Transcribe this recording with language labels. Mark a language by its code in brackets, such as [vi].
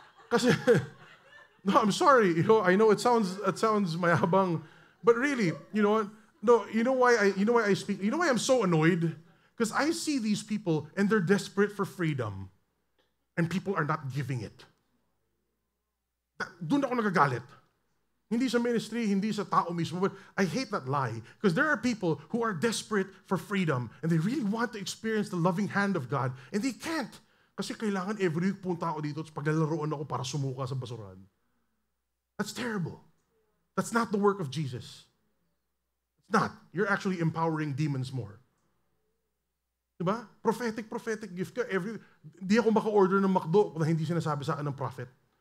[en] Kasi, no, I'm sorry. You know, I know it sounds mayabang. But really, you know what? No, you know why I speak? You know why I'm so annoyed? Because I see these people and they're desperate for freedom. And people are not giving it. [tl] Doon ako nagagalit. Hindi sa ministry, hindi sa tao mismo. [en] But I hate that lie. Because there are people who are desperate for freedom. And they really want to experience the loving hand of God. And they can't. [tl] Kasi kailangan every week punta ako dito at paglalaroan ako para sumuka sa basuran. [en] That's terrible. That's not the work of Jesus. It's not. You're actually empowering demons more. [tl] Diba? Prophetic gift ka. Hindi ako maka-order ng McDo kung hindi sinasabi sa akin ng prophet.